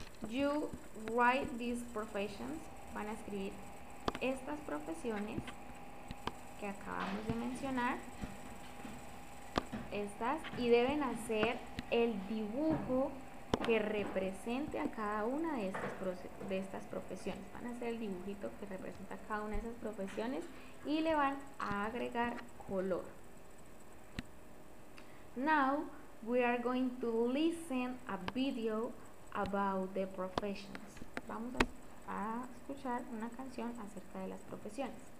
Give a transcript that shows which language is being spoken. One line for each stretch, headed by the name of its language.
English: You write these professions,
Spanish: van a escribir estas profesiones que acabamos de mencionar, estas, y deben hacer el dibujo que represente a cada una de estas profesiones. Van a hacer el dibujito que representa a cada una de esas profesiones y le van a agregar color.
English: Now we are going to listen a video about the professions.
Spanish: Vamos a escuchar una canción acerca de las profesiones.